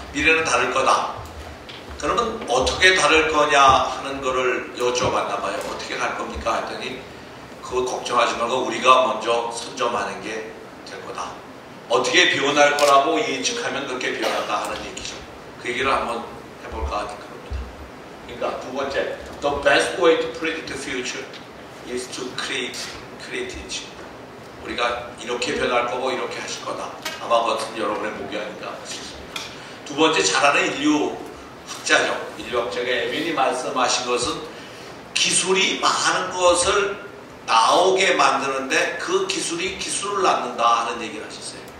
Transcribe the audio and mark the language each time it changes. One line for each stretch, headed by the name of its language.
Korean: 미래는 다를 거다. 그러면 어떻게 다를 거냐 하는 거를 여쭤봤나 봐요. 어떻게 갈 겁니까? 했더니 그거 걱정하지 말고 우리가 먼저 선점하는 게 될 거다. 어떻게 변할 거라고 예측하면 그렇게 변한다 하는 얘기죠. 그 얘기를 한번 해볼까 생각합니다. 그러니까 두 번째,
English: the best way to predict the future is to create it.
Korean: 우리가 이렇게 변할 거고 이렇게 하실 거다. 아마 그것은 여러분의 목이 아닌가 싶습니다. 두 번째 잘하는 인류 학자죠. 인류 학자가 에밀리 말씀하신 것은 기술이 많은 것을 나오게 만드는데 그 기술이 기술을 낳는다 하는 얘기를 하셨어요.